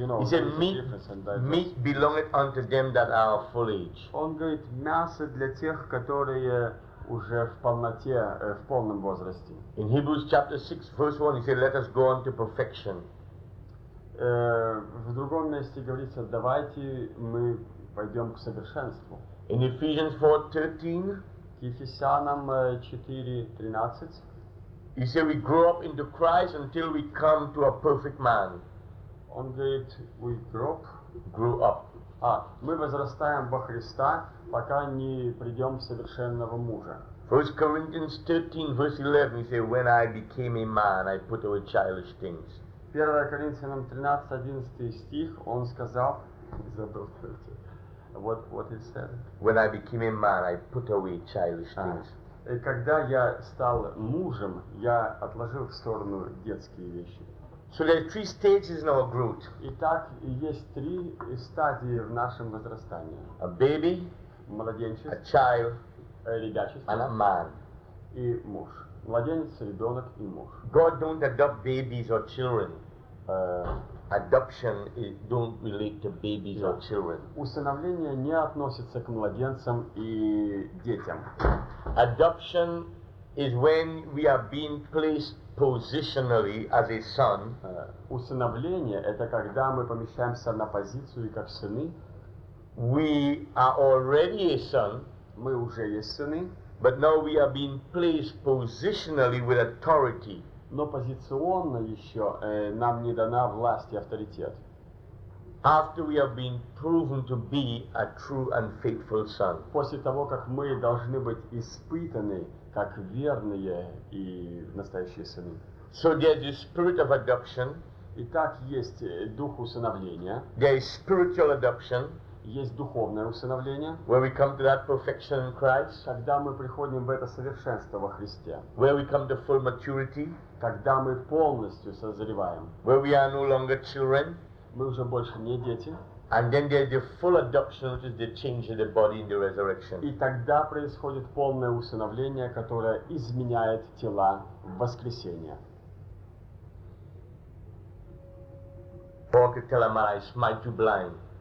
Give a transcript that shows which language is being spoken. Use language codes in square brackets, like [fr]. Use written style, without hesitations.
[en] You know, he said, meat belongeth unto them that are of full age. [ru] Он говорит, мясо для тех, которые уже в полноте, в полном возрасте. [en] In Hebrews chapter 6, verse 1, he said, let us go unto perfection. [ru] В другом месте говорится, давайте мы пойдем к совершенству. [en] In Ephesians 4:13, [ru] к Ефесянам 4:13, [en] he said, we grow up into Christ until we come to a perfect man. [ru] Он говорит, [en] we grow up. Grew up. [ru] А, мы возрастаем во Христа, пока не придем совершенного мужа. [en] 1 Corinthians 13, verse 11, he said, when I became a man, I put away childish things. [ru] 1 Коринфянам 13, 11 стих, он сказал, забыл 13, [en] what he said? When I became a man, I put away childish things. [ru] И когда я стал мужем, я отложил в сторону детские вещи. [en] So there are three stages in our growth. [ru] Итак, есть три стадии в нашем возрастании. [en] A baby, [ru] младенчество, [en] a child, [ru] ребячество, [en] and a man. [ru] И муж. Младенец, ребенок и муж. [en] God don't adopt babies or children. Adoption don't relate to babies or children. [ru] Усыновление не относится к младенцам и детям. [en] Adoption is when we are being placed positionally as a son. [ru] Усыновление это когда мы помещаемся на позицию как сыны. [en] We are already a son. [ru] Мы уже есть сыны. [en] But now we are being placed positionally with authority. [ru] Но позиционно еще нам не дана власть и авторитет. [en] After we have been proven to be a true and faithful son. [ru] После того, как мы должны быть испытаны как верные и настоящие сыны. [en] So there's the spirit of adoption. [ru] Итак, есть дух усыновления. [en] There is spiritual adoption. [ru] Есть духовное усыновление. [en] Where we come to that perfection in Christ. [ru] Когда мы приходим в это совершенство во Христе. [en] Where we come to full maturity. [ru] Когда мы полностью созреваем. [en] Where we are no longer children. [ru] Мы уже больше не дети. [en] And then there's the full adoption, which is the change of the body in the resurrection. [ru] И тогда происходит полное усыновление, которое изменяет тела в воскресение. [en] Paul could tell a man, I smite you blind.